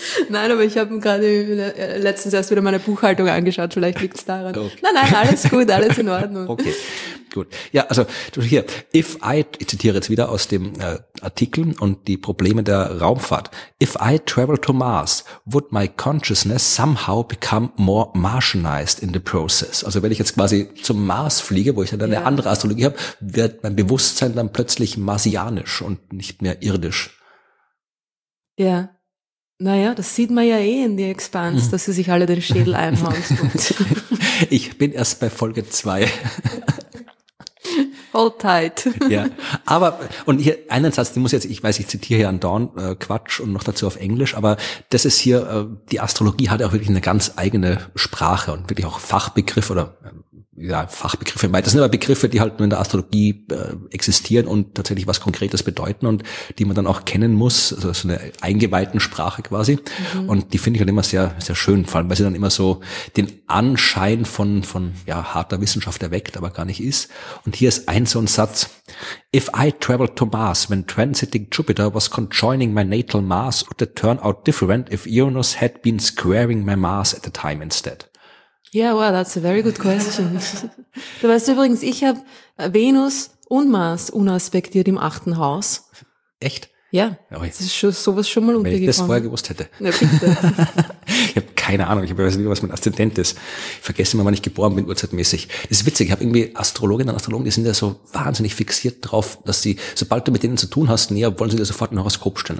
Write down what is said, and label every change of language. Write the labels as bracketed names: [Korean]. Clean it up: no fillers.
[German] Nein, aber ich habe gerade letztens erst wieder meine Buchhaltung angeschaut, vielleicht liegt es daran. Okay. Nein, nein, alles gut, alles in Ordnung. Okay, gut. Ja, also hier, [English] if I, [German] ich zitiere jetzt wieder aus dem Artikel und die Probleme der Raumfahrt. [English] If I travel to Mars, would my consciousness somehow become more Martianized in the process? [German] Also wenn ich jetzt quasi zum Mars fliege, wo ich dann eine andere Astrologie habe, wird mein Bewusstsein dann plötzlich marsianisch und nicht mehr irdisch. Ja, naja, das sieht man ja eh in die Expanse, dass sie sich alle den Schädel einhauen. Ich bin erst bei Folge 2. [English] Hold tight. [German] Ja, aber, und hier einen Satz, den muss jetzt, ich weiß, ich zitiere hier an Dawn Quatsch und noch dazu auf Englisch, aber das ist hier, die Astrologie hat ja auch wirklich eine ganz eigene Sprache und wirklich auch Fachbegriff oder ja, Fachbegriffe, das sind aber Begriffe, die halt nur in der Astrologie existieren und tatsächlich was Konkretes bedeuten und die man dann auch kennen muss, also so eine eingeweihten Sprache quasi. Mhm. Und die finde ich halt immer sehr, sehr schön, vor allem, weil sie dann immer so den Anschein von ja, harter Wissenschaft erweckt, aber gar nicht ist. Und hier ist ein so ein Satz. [English] If I traveled to Mars when transiting Jupiter was conjoining my natal Mars, would it turn out different if Uranus had been squaring my Mars at the time instead? Yeah, well, that's a very good question. [German] Du weißt übrigens, ich habe Venus und Mars unaspektiert im achten Haus. Echt? Ja, okay. Das ist schon, sowas schon mal untergekommen. Wenn ich das vorher gewusst hätte. Na, bitte. Ich habe keine Ahnung, ich weiß nicht, was mein Aszendent ist. Ich vergesse immer, wann ich geboren bin, urzeitmäßig. Das ist witzig, ich habe irgendwie Astrologinnen und Astrologen, die sind ja so wahnsinnig fixiert drauf, dass sie, sobald du mit denen zu tun hast, näher, wollen sie dir sofort ein Horoskop stellen.